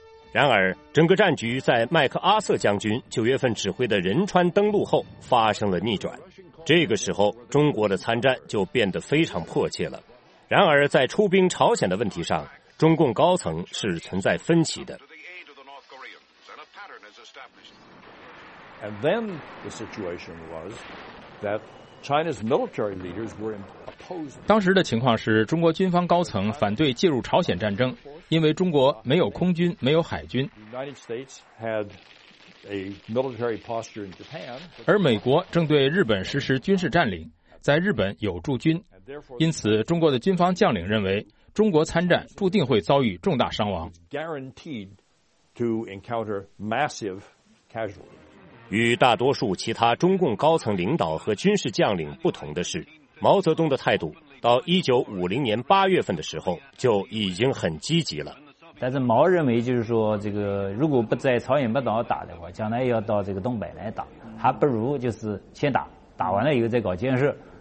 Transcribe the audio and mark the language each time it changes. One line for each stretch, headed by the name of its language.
Chinese: 然而，整个战局在麦克阿瑟将军9月份指挥的仁川登陆后发生了逆转。这个时候，中国的参战就变得非常迫切了。然而，在出兵朝鲜的问题上，中共高层是存在分歧的。
English: And then the situation was that China's military leaders were opposing.
Chinese: 当时的情况是，中国军方高层反对介入朝鲜战争，因为中国没有空军，没有海军。
English: United States had a military posture in Japan.
Chinese: 而美国正对日本实施军事占领，在日本有驻军，因此中国的军方将领认为，中国参战注定会遭遇重大伤亡。
English: Guaranteed to encounter massive casualties.
Chinese: 与大多数其他中共高层领导和军事将领不同的是，毛泽东的态度到1950年8月份的时候就已经很积极了。但是毛认为，就是说这个如果不在朝鲜半岛打的话，将来要到这个东北来打，还不如就是先打，打完了以后再搞建设。